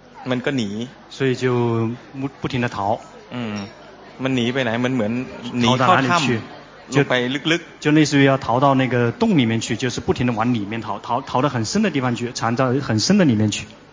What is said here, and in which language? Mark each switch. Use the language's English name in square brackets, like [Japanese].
[Thai] มันก็หนี [Chinese] 所以就不停的逃 [Thai] มันหนีไปไหนมันเหมือนหนีเข้าถ้ำ [Chinese] 就 [Thai] ไปลึก [Chinese] ๆ就类似于要逃到那个洞里面去就是不停的往里面逃逃逃到很深的地方去藏到很深的里面去